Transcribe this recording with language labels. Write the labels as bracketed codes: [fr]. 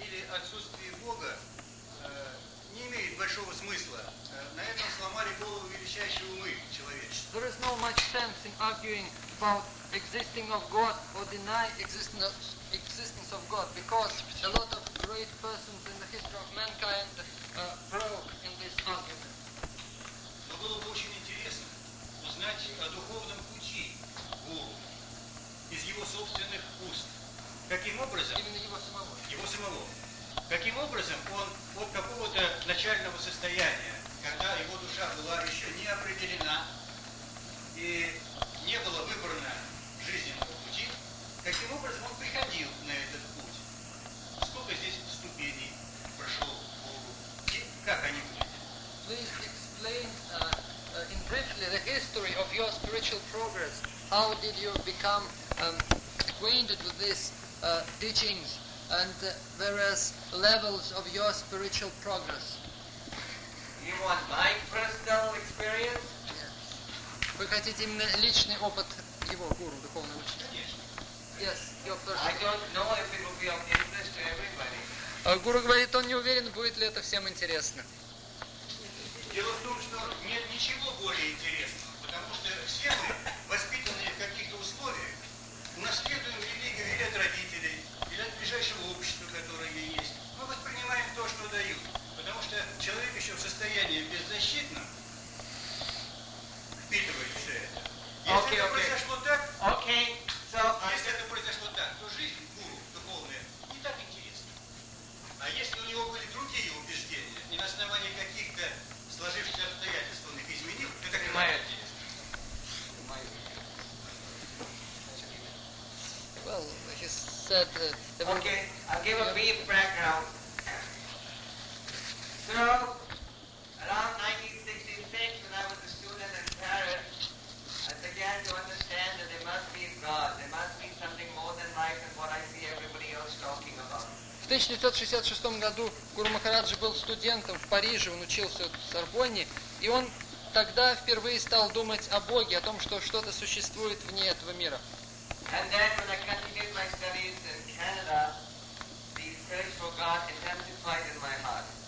[ru] Отсутствие Бога не имеет большого смысла. На этом сломали голову величайшие умы человечества. [en] There is no much sense in arguing about existing of God or deny existence existence of God, because a lot of great persons in the history of mankind broke in this argument. [ru] Но было бы очень интересно узнать о духовном пути Гуру из его собственных уст. Каким образом? Именно его самого. Его самого. Каким образом он от какого-то начального состояния, когда его душа была еще не определена и не было выбрано жизненного пути, каким образом он приходил на этот путь? Сколько здесь ступеней прошел Гуру? И как они выглядят? [en] Please explain in briefly the history of your spiritual progress. How did you become acquainted with this teachings? And various levels of your spiritual progress. You want my personal experience? Yes. [ru] Вы хотите именно личный опыт его гуру, духовного учителя? [en] Yes, your personal. I don't know if it will be of interest to everybody. [ru] Гуру говорит, он не уверен, будет ли это всем интересно. Дело в том, что нет ничего более интересного, потому что все мы, воспитанные в каких-то условиях, унаследуем религию или от родителей, от ближайшего общества, которое есть, мы воспринимаем то, что дают. Потому что человек еще в состоянии беззащитном впитывает все это. Если это произошло так, то жизнь гуру духовная не так интересна. А если у него были другие убеждения, и на основании каких-то сложившихся обстоятельств он их изменил, то это прямая интересно. [en] Well, he said... I'll give a brief background. So, around 1966, when I was a student in Paris, I began to understand that there must be God. There must be something more than life than what I see everybody else talking about. [ru] В 1966 году Гуру Махараджи был студентом в Париже, он учился в Сорбонне, и он тогда впервые стал думать о Боге, о том, что что-то существует вне этого мира. [en] And then when I continued my studies in Canada, the search for God intensified in my heart.